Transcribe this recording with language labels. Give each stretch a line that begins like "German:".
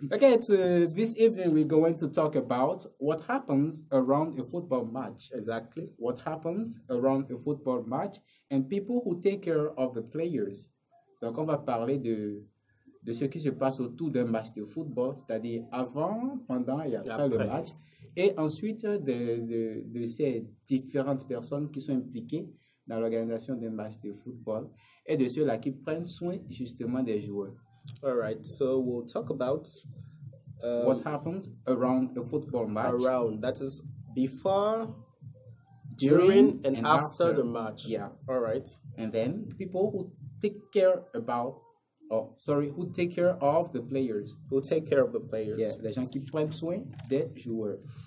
English: Okay, this evening we're going to talk about what happens around a football match. Exactly. What happens around a football match and people who take care of the players.
French: Donc, on va parler de ce qui se passe autour d'un match de football, c'est-à-dire avant, pendant et après le match, et ensuite de ces différentes personnes qui sont impliquées dans l'organisation d'un match de football et de ceux-là qui prennent soin justement des joueurs.
English: All right, so we'll talk about what happens around a football match. Around, that is before, during, and after the match. Yeah. All right. And then people who take care about who take care of the players. Who take care of the players.
French: Yeah, les gens qui prennent soin des joueurs.